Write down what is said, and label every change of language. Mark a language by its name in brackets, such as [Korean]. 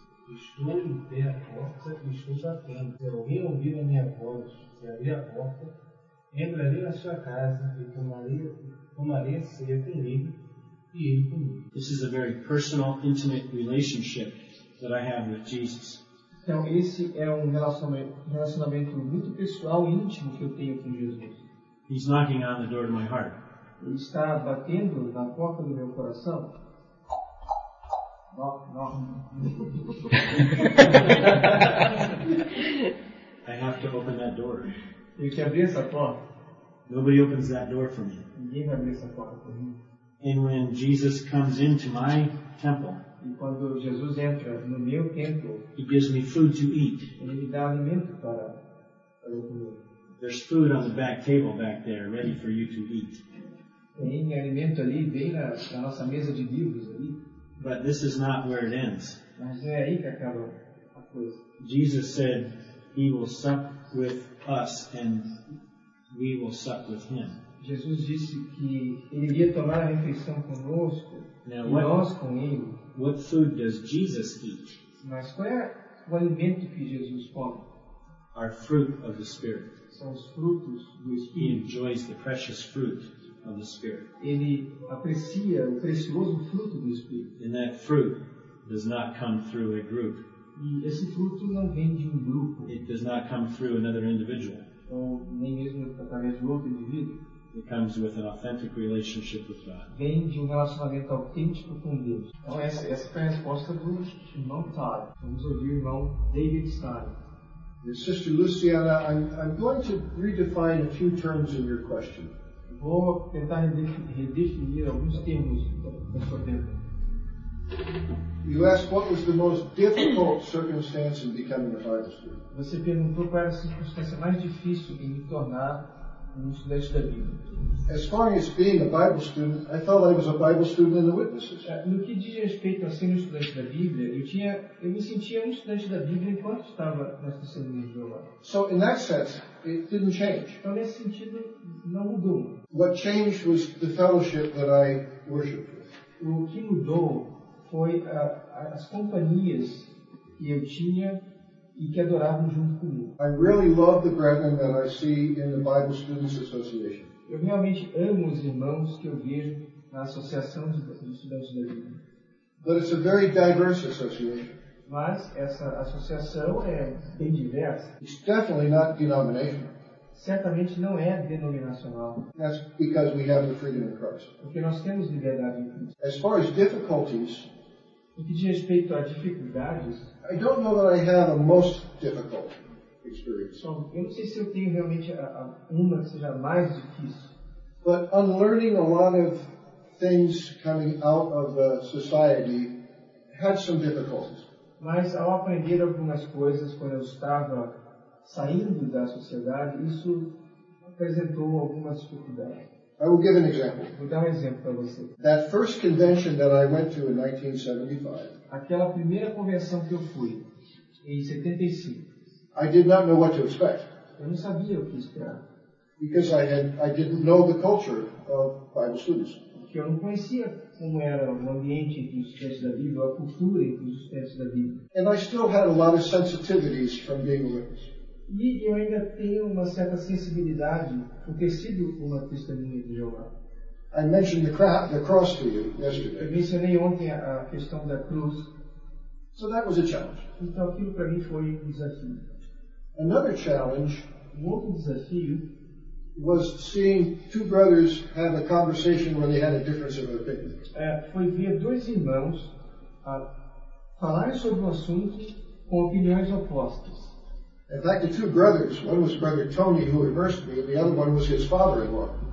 [Portuguese] Estou em pé à porta e estou batendo. Se alguém ouvir a minha voz e abrir a porta, entrarei na sua casa e tomarei a ceia com ele e ele comigo. [English] This is a very personal, intimate relationship that I have with Jesus. [Portuguese] Então, esse é um relacionamento muito pessoal e íntimo que eu tenho com Jesus. [English] He's knocking on the door of my heart. [Portuguese] Ele está batendo na porta do meu coração. [English] No, no. I have to open that door. You can [Portuguese] abrir essa porta. [English] Nobody opens that door for me. [Portuguese] Ninguém vai abrir essa porta para mim. [English] And when Jesus comes into my temple, [Portuguese] e quando Jesus entra no meu templo, [English] he gives me food to eat. [Portuguese] Ele me dá alimento para comer. [English] There's food on the back table back there, ready for you to eat. [Portuguese] Tem alimento ali, bem na nossa mesa de livros ali. [English] But this is not where it ends. [Portuguese] Mas é aí que acaba a coisa. [English] Jesus said, He will sup with us, and we will sup with Him. [Portuguese] Jesus disse que ele iria tomar a refeição conosco, [English] now, [Portuguese] e [English] what, [Portuguese] nós com ele. [English] What food does Jesus eat? [Portuguese] Mas qual é o alimento que Jesus come? [English] Our fruit of the Spirit. [Portuguese] São os frutos do Espírito. [English] He enjoys the precious fruit of the Spirit. [Portuguese] Ele aprecia o precioso fruto do Espírito. [English] And that fruit does not come through a group. [Portuguese] E esse fruto não vem de um grupo. [English] It does not come through another individual. [Portuguese] Ou nem mesmo através de outro indivíduo. [English] It comes with an authentic relationship with God. [Portuguese] Vem de um relacionamento autêntico com Deus. Então essa foi a resposta do irmão Todd. Vamos ouvir o irmão David Stein. [English] Sister Luciana, I'm going to redefine a few terms in your question. [Portuguese] Vou tentar redefinir alguns termos da sua pergunta. [English] You asked what was the most difficult circumstance in becoming a Bible student. [Portuguese] Você perguntou qual era a circunstância mais difícil em me tornar um estudante da Bíblia. [English] As far as being a Bible student, I thought I was a Bible student and a witness. [Portuguese] No que diz respeito a ser um estudante da Bíblia, eu me sentia um estudante da Bíblia enquanto estava nesta seminário. [English] So in that sense, it didn't change. [Portuguese] Então nesse sentido, não mudou. [English] What changed was the fellowship that I worshipped with. [Portuguese] O que mudou foi as companhias que eu tinha e que adoravam junto comigo. [English] I really love the brethren that I see in the Bible Students Association. [Portuguese] Eu realmente amo os irmãos que eu vejo na Associação de Estudantes da Bíblia. [English] But it's a very diverse association. [Portuguese] Mas essa associação é bem diversa. [English] It's definitely not denominational. [Portuguese] Certamente não é denominacional. [English] That's because we have the freedom of Christ. [Portuguese] Porque nós temos liberdade em Cristo. [English] As far as difficulties, [Portuguese] o que diz respeito a dificuldades, [English] I don't know that I have a most difficult experience. [Portuguese] So, eu não sei se eu tenho realmente uma que seja mais difícil. [English] But unlearning a lot of things coming out of the society had some difficulties. [Portuguese] Mas ao aprender algumas coisas quando eu estava saindo da sociedade, isso apresentou algumas dificuldades. [English] I will give an example. [Portuguese] Vou dar um exemplo para você. [English] That first convention that I went to in 1975. [Portuguese] Aquela primeira convenção que eu fui em 75. [English] I did not know what to expect. [Portuguese] Eu não sabia o que esperar. [English] Because I didn't know the culture of Bible students. [Portuguese] Porque eu não conhecia como era o ambiente entre os estudantes da Bíblia, a cultura entre os estudantes da Bíblia. [English] And I still had a lot of sensitivities from being a witness. [Portuguese] E eu ainda tenho uma certa sensibilidade por ter sido uma testemunha de Jeová. [English] I mentioned the cross to you yesterday. [Portuguese] Eu mencionei ontem a questão da cruz. [English] So that was a challenge. [Portuguese] Então aquilo para mim foi um desafio. [English] Another challenge, [Portuguese] um outro desafio, [English] was seeing two brothers have a conversation where they had a difference of opinion. [Portuguese] Foi ver dois irmãos falar sobre um assunto com opiniões opostas. [English] In fact, the two brothers, one was Brother Tony, who immersed me, and the other one was his father-in-law.